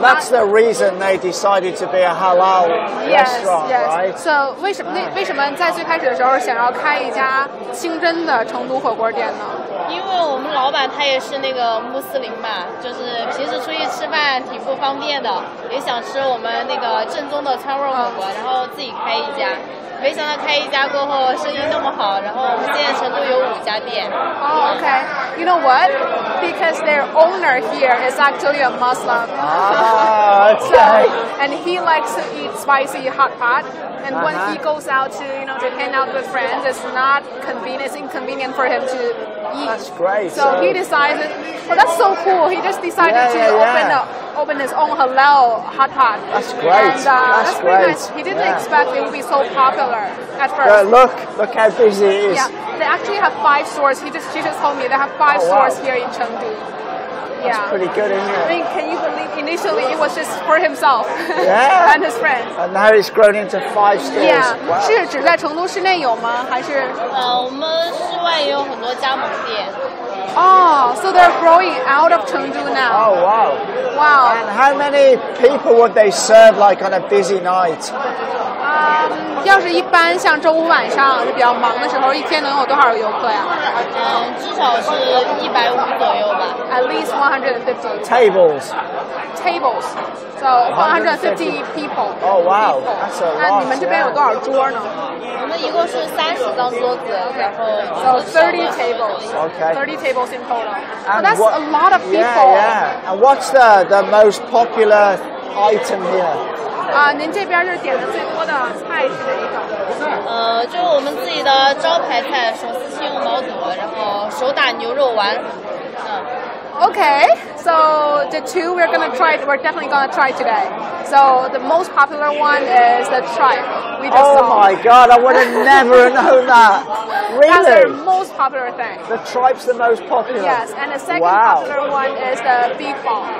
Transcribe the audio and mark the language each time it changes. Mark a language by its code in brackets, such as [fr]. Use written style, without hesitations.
[en] that's the reason they decided to be a halal restaurant, yes. right? [zh] So 为什么在最开始的时候想要开一家清真的成都火锅店呢？因为我们老板他也是那个穆斯林嘛，就是平时出去吃饭挺不方便的，也想吃我们那个正宗的川味火锅，然后自己开一家。没想到开一家过后生意那么好，然后我们现在成都有五家店。 [en] Oh, okay. You know what? Because their owner here is actually a Muslim. Okay. And he likes to eat spicy hot pot. And when he goes out to, you know, to hang out with friends, it's not convenient, it's inconvenient for him to eat. That's great. So he decided, well, that's so cool. He just decided open his own halal hot pot. That's great. And, that's great. Nice. He didn't expect it would be so popular at first. Look how busy it is. Yeah, they actually have five stores. She just told me they have five stores here in Chengdu. That's pretty good, isn't it? I mean, can you believe initially it was just for himself and his friends? And now it's grown into five stores. Yeah. Wow. [zh] 是只在成都市内有吗？还是？我们室外也有很多加盟店。 [en] Oh, so they're growing out of Chengdu now. Oh, wow. Wow. And how many people would they serve like on a busy night? [zh] 要是一般像周五晚上比较忙的时候，一天能有多少游客呀？至少是150左右吧。 [en] At least 150. Tables. Tables. So 150 people. Oh, wow. That's a lot. [zh] 那你们这边有多少桌呢？一共是30张桌子 [en] okay. So 30 tables. Okay. 30 tables in total. And that's a lot of people. Yeah, yeah. And what's the most popular item here? [zh] 您这边是点的最多的菜是哪一个？就我们自己的招牌菜，手撕鲜肉毛肚，然后手打牛肉丸。 [en] Okay, so the two we're definitely going to try today. So the most popular one is the tripe we just saw. Oh my god, I would have never known that. Really? That's their most popular thing. The tripe's the most popular. Yes, and the second popular one is the beef ball.